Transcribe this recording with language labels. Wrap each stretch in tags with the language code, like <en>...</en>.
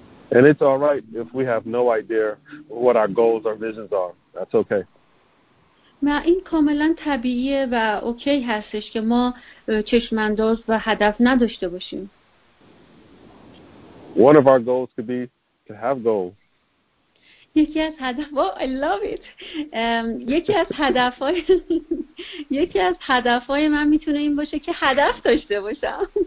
<en>And it's all right if we have no idea what our goals or visions are. That's okay.</en> <fa>ما این کاملا طبیعیه و اوکی هستش که ما چشمنداز و هدف نداشته باشیم.</fa> <en>One of our goals could be to have goals.</en> <fa>یکی از هدف‌های من میتونه این باشه که هدف داشته باشم.</fa>